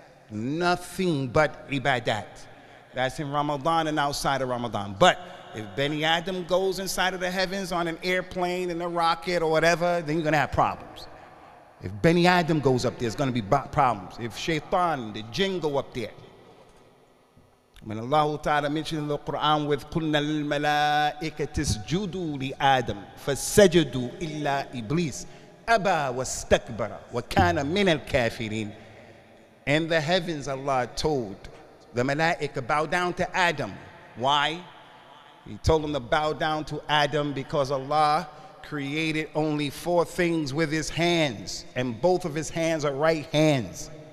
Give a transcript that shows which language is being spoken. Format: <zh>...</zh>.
<en>Nothing but ibadat. That's in Ramadan and outside of Ramadan. But if Bani Adam goes inside of the heavens on an airplane, in a rocket or whatever, then you're going to have problems. If Bani Adam goes up there, it's going to be problems. If Shaytan, the jinn, go up there. When Allah Ta'ala mentioned in the Quran with</en> <ar>قُلْنَا الْمَلَائِكَةِ اسْجُدُوا لِآدَمْ فَسَجَدُوا إِلَّا إِبْلِيسِ أَبَى وَاسْتَكْبَرَ وَكَانَ مِنَ الْكَافِرِينَ.</ar> <en>In the heavens, Allah told the malaika, bow down to Adam. Why? He told them to bow down to Adam because Allah created only 4 things with his hands, and both of his hands are right hands.</en>